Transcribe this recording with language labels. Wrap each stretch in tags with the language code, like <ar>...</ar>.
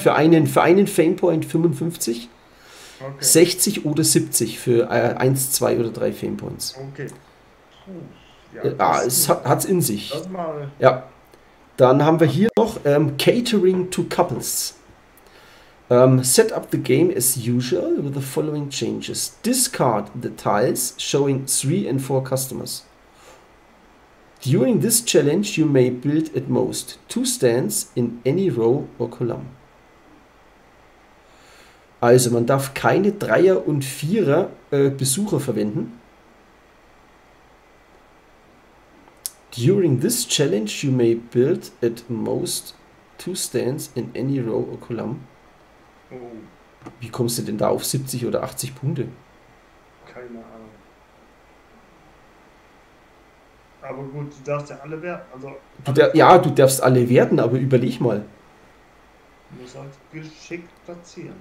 <de>bekommen? für einen Fame-Point, 55. Okay. 60 oder 70 für 1, 2 oder 3 Fame-Points. Okay. Puh, ja, Ah, es hat es in sich. das mal. Ja. Dann haben wir hier noch Catering to Couples.</de> <en>Set up the game as usual with the following changes. Discard the tiles showing 3 and 4 customers. During this challenge, you may build at most 2 stands in any row or column.</en> <de>Also, man darf keine Dreier- und Vierer-Besucher verwenden.</de> <en>During this challenge, you may build at most 2 stands in any row or column. Oh.</en> <de>Wie kommst du denn da auf 70 oder 80 Punkte? Keine Ahnung. Aber gut, du darfst ja alle werden, also alle Ja, vier. du darfst alle werden, aber überleg mal. Muss halt geschickt platzieren.</de>